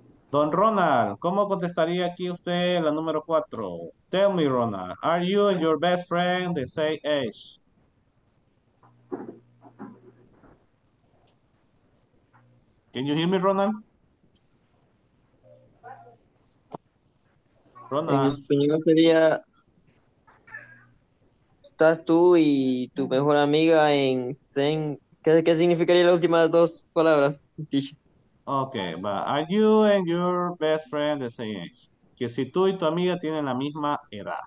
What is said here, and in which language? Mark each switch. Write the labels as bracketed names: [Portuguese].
[Spanish] Don Ronald, ¿cómo contestaría aquí usted la número 4? [English] Tell me, Ronald, are you and your best friend the same age? Can you hear me, Ronald? Ronald. [Spanish] En español sería, estás tú y tu mejor amiga en Zen? ¿Qué significaría las últimas dos palabras, Tisha? [English] Okay, but are you and your best friend the same age? [Spanish] Que si tú y tu amiga tienen la misma edad.